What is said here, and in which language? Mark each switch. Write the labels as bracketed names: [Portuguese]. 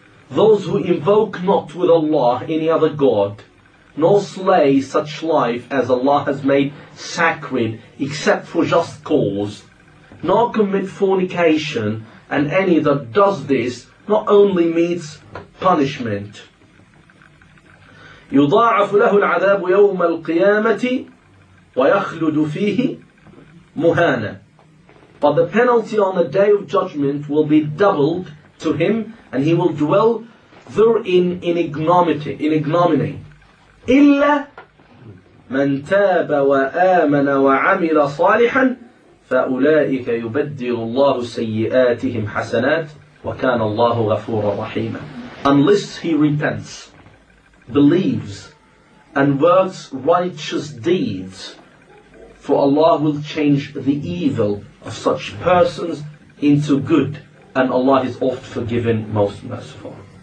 [English] Those who invoke not with Allah any other God, nor slay such life as Allah has made sacred except for just cause, nor commit fornication, and any that does this not only meets punishment. [Arabic] يضاعف له العذاب يوم القيامة ويخلد فيه مهانا. [English] But the penalty on the day of judgment will be doubled to him, and he will dwell therein in ignominy. [Arabic] إلا من تاب وآمن وعمل صالحا فأولئك يبدل الله سيئاتهم حسنات وكان الله غفورا رحيما. [English] Unless he repents, believes, and works righteous deeds, for Allah will change the evil of such persons into good, and Allah is oft forgiven, most merciful.